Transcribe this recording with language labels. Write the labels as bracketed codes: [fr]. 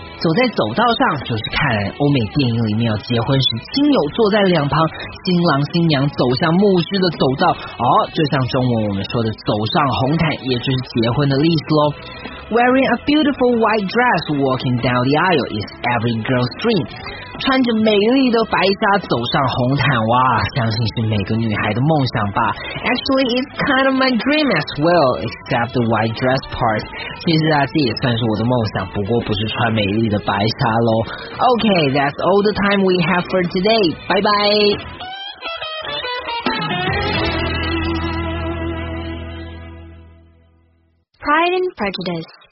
[zh] 走在走道上，就是看欧美电影里面要结婚时，亲友坐在两旁，新郎新娘走向牧师的走道，哦，就像中文我们说的走上红毯，也就是结婚的例子咯。 [en] Wearing a beautiful white dress walking down the aisle is every girl's dream. [zh] 穿着美丽的白纱走上红毯，哇，相信是每个女孩的梦想吧。 [en] Actually, it's kind of my dream as well, except the white dress part. [zh] 其实啊，这也算是我的梦想，不过不是穿美丽的白纱咯。 [en] Okay, that's all the time we have for today. Bye bye. Pride and Prejudice.